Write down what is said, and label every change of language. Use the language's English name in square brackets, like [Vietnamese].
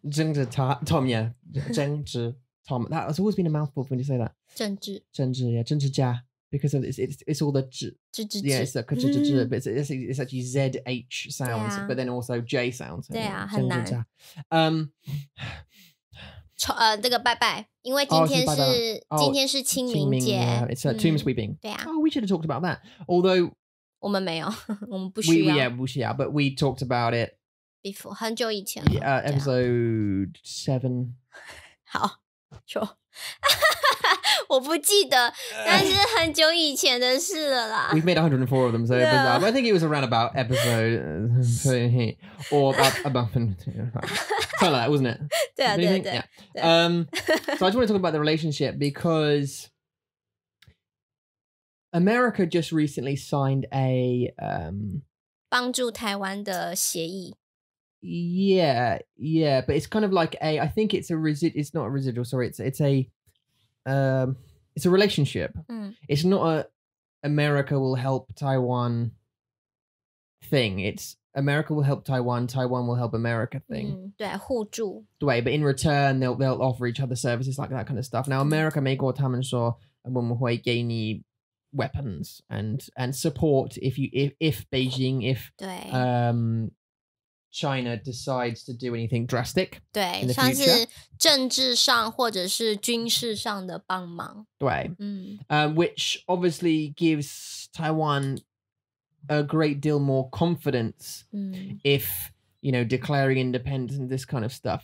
[English] 政治 Tom, yeah. 政治 Tom. That has always been a mouthful when you say that. [Chinese] 政治。 [English] 政治, yeah. 政治家,because of it's all the zh, zh, zh, zh. Yeah, it's like zh, zh, zh, zh, but it's actually z h sounds, but then also j sounds. Yeah, very hard. [Chinese] 这个拜拜，因为今天是清明节。 [English] It's a tomb sweeping. [Chinese] 对啊。 [English] Oh, we should have talked about that. Although [Chinese] 我们没有，我们不需要。 [English] Yeah, [Chinese] 不需要, [English] but we talked about it before [Chinese] 很久以前了。 [English] Yeah, episode 7. 好, sure. [Chinese] 我不记得，但是很久以前的事了啦。 [English] We've made 104 of them, so yeah. I think it was around about episode or about something like that, wasn't it? [Chinese] 对啊。 [English] So I just want to talk about the relationship because America just recently signed a [Chinese] 帮助台湾的协议。 [English] Yeah, but it's kind of like a, I think it's a it's not a residual, sorry, it's a it's a relationship. Mm. It's not a America will help Taiwan thing. It's America will help Taiwan, Taiwan will help America thing. Mm, [Chinese] 对,互助. [English] 对, but in return, they'll offer each other services, like that kind of stuff. Now, America, [Chinese] 美国他们说我们会给你 [English] weapons and support if Beijing, if [Chinese] 对. [English] China decides to do anything drastic. [Chinese] 对，像是政治上或者是军事上的帮忙。对，嗯， [English] which obviously gives Taiwan a great deal more confidence. 嗯, if you know declaring independence and this kind of stuff.